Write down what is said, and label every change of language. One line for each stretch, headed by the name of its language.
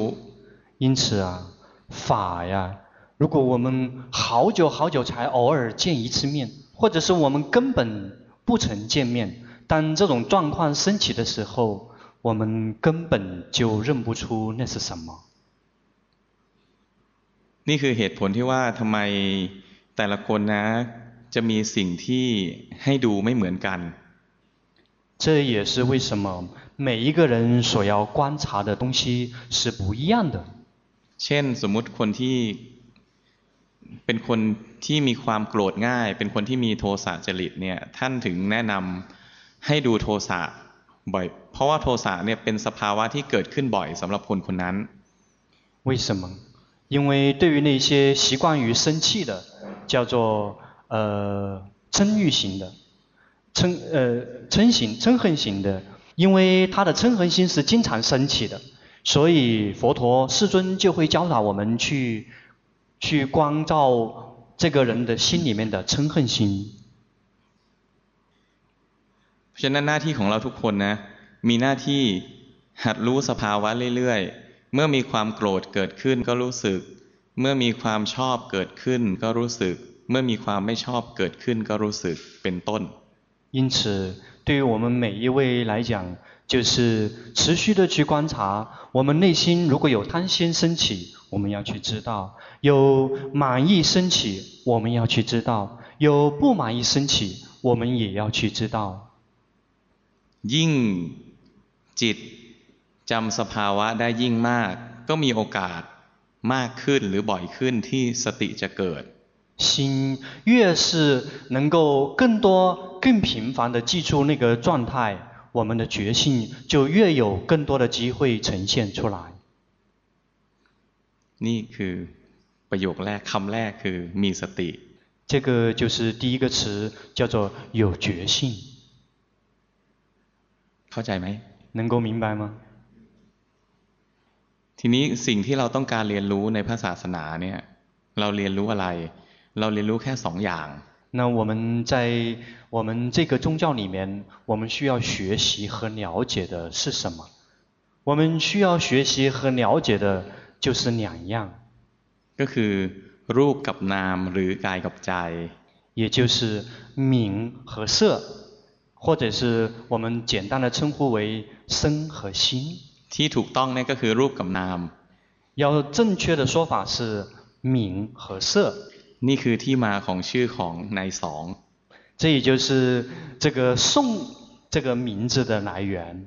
Chinese: 因此啊法呀如果我们好久好久才偶尔见一次面或者是我们根本不曾见面当这种状况升起的时候我们根本就认不出那是什么
Thai: นี่คือเหตุผลที่ว่าทำไมแต่ละคนนะจะมีสิ่งที่ให้ดูไม่เหมือนกัน
Chinese: 这也是为什么每一个人所要观察的东西是不一样的
Thai: เช่นสมมติคนที่เป็นคนที่มีความโกรธง่ายเป็นคนที่มีโทสะจริตเนี่ยท่านถึงแนะนำให้ดูโทสะเพราะว่าโทสะเนี่ยเป็นสภาวะที่เกิดขึ้นบ่อยสำหรับคนคนนั้น
Chinese: 为什么因为对于那些习惯于生气的叫做嗔欲型的嗔恨型的因为他的嗔恨心是经常升起的所以佛陀世尊就会教导我们去关照这个人的心里面的嗔恨心
Thai: ฉะนั้นหน้าที่ของเราทุกคนนะมีหน้าที่หัดรู้สภาวะเรื่อยๆเมื่อมีความโกรธเกิดขึ้นก็รู้สึกเมื่อมีความชอบเกิดขึ้นก็รู้สึกเมื่อมีความไม่ชอบเกิดขึ้นก็รู้สึกเป็นต้น
Chinese: 因此对于我们每一位来讲就是持续的去观察，我们内心如果有贪心升起，我们要去知道；有满意升起，我们要去知道；有不满意升起，我们也要去知道。
Thai: ยิ่งจิตจำสภาวะได้ยิ่งมากก็มีโอกาสมากขึ้นหรือบ่อยขึ้นที่สติจะเกิด
Chinese: 心越是能够更多更频繁地记住那个状态，我们的觉性就越有更多的机会呈现出来。
Thai: นี่คือประโยคแรกคำแรกคือมีสติ
Chinese: 这个就是第一个词叫做有觉性。
Thai: เข้าใจไหม
Chinese: 能够明白吗
Thai: ทีนี้สิ่งที่เราต้องการเรียนรู้ในพระศาสนาเนี่ยเราเรียนรู้อะไรเราเรียนรู้แค่สองอย่าง
Chinese: 那我们在我们这个宗教里面我们需要学习和了解的是什么我们需要学习和了解的就是两样
Thai: ก็คือรูปกับนามหรือกายกับใจ
Chinese: 也就是名和色或者是我们简单的称呼为身和心
Thai: ที่ถูกต้องนี่ก็คือรูปกับนาม
Chinese: 要正确的说法是名和色
Thai: นี่คือที่มาของชื่อของนายสอง
Chinese: 这也就是这个宋这个名字的来源